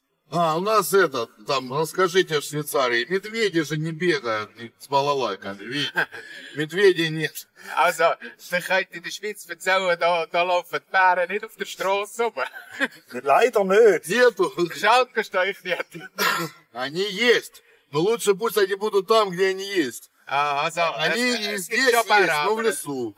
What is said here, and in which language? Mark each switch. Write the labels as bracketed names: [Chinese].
[Russian] А, у нас этот, там, расскажите в Швейцарии, медведи же не бегают не с балалайками, видите? Медведей нет. [German] Also, слыхайте, die Schweiz erzählen, da laufen die Bären nicht auf der Straße rum. Leider nicht. [Russian] Нету. Жалко, что их нет. Они есть, но лучше пусть они будут там, где они есть. [German] Also, [Russian] они и здесь есть, пара, но в лесу.